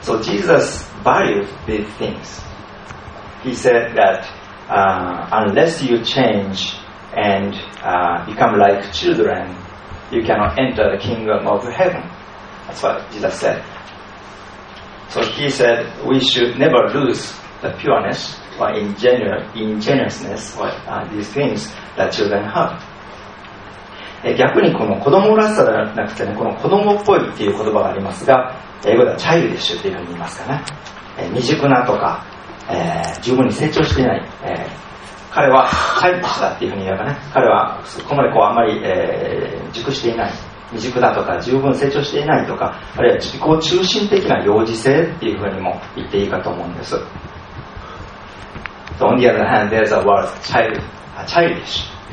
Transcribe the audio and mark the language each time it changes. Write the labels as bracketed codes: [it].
[en] So Jesus values these things. He said that unless you changeand become like children, you cannot enter the kingdom of heaven. That's what Jesus said. So he said we should never lose the pureness or ingenuousness these things that children have. [ja] 逆にこの子供らしさではなくて、ね、この子供っぽいっていう言葉がありますが、英語ではチャイルディッシュというふうに言いますかね。未熟なとか、十分に成長していない、彼はチャイルディッシュだっていうふうに言えばね、彼はそこまでこうあんまり、熟していない、未熟だとか十分成長していないとか、あるいは自己中心的な幼児性っていうふうにも言っていいかと思うんです。 [en] So on the other hand there's a word childish.